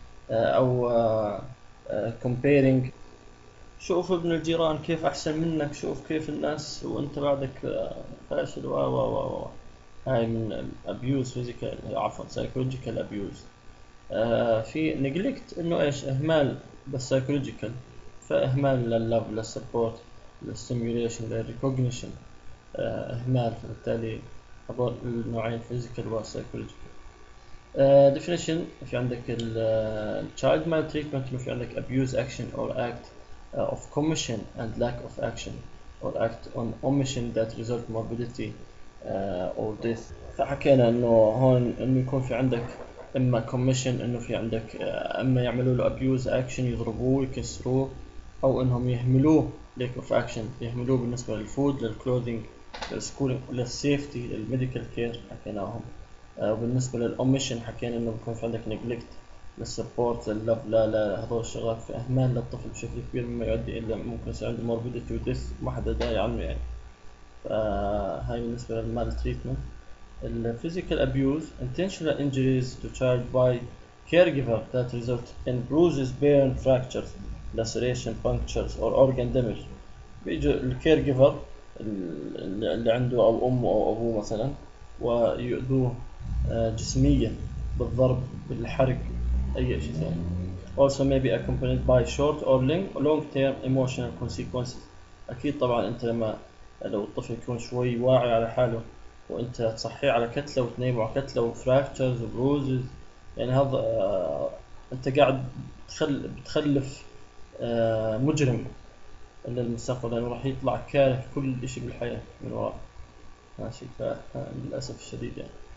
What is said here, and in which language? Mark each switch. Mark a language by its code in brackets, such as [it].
[ar] او comparing، شوف ابن الجيران كيف احسن منك، شوف كيف الناس وانت بعدك فاشل، و و و و هاي من abuse physical، عفوا psychological abuse. في neglect، انه ايش؟ اهمال بس psychological، فاهمال لل love، لل support، لل stimulation، لل recognition، اهمال. فبالتالي هذول النوعين physical و psychological. [en] definition، [ar] في عندك ال [en] child maltreatment، في عندك abuse action or act of commission and lack of action or act on omission that result morbidity or death. [ar] فحكينا انه هون انه يكون في عندك اما commission، انه في عندك اما يعملوا له abuse action، يضربوه يكسروه، او انهم يهملوه، lack of action، يهملوه بالنسبه للفود، للكلوذينج، للسكولينج، للسيفتي، للميديكال كير، حكيناهم. وبالنسبة للأوميشن حكينا إنه بيكون في عندك نيجليكت، للسبورت، لللف، لا هذول الشغلات، في إهمال للطفل بشكل كبير، مما يؤدي إلى ممكن يصير عنده موربيديتي وديث، ما حدا داري عنه يعني. فهاي بالنسبة للمال تريتمنت. [en] الفيزيكال abuse, intentional injuries to child by caregiver that result in bruises, burns, fractures, laceration, punctures or organ damage. [ar] بيجي الكيرجيفر اللي عنده، أو أمه أو أبوه مثلا، ويؤذوه جسميا بالضرب، بالحرق، اي شيء ثاني. [en] Also may be accompanied by short or long term emotional consequences. [ar] اكيد طبعا انت لما، لو الطفل يكون شوي واعي على حاله وانت تصحيه على كتله وتنيمه على كتله وفراكتشرز وبروزز، يعني هذا انت قاعد بتخلف مجرم للمستقبل، لانه راح يطلع كاره كل شيء بالحياه من وراء، ماشي؟ فللاسف الشديد يعني.